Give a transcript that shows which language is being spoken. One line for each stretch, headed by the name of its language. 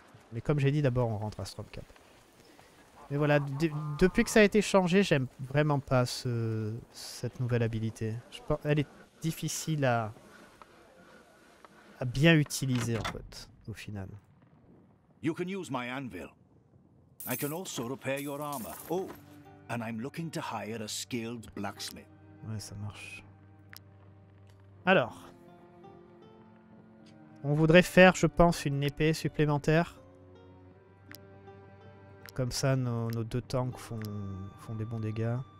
French: Mais comme j'ai dit, d'abord on rentre à Stormcap. Mais voilà, depuis que ça a été changé, j'aime vraiment pas cette nouvelle habilité. Je pense, elle est difficile à bien utiliser en fait, au final.
English: You can use my anvil. I can also repair your armor. Oh, and I'm looking to hire a skilled blacksmith.
French: Ouais, ça marche. Alors, on voudrait faire, je pense, une épée supplémentaire. Comme ça, nos deux tanks font des bons dégâts.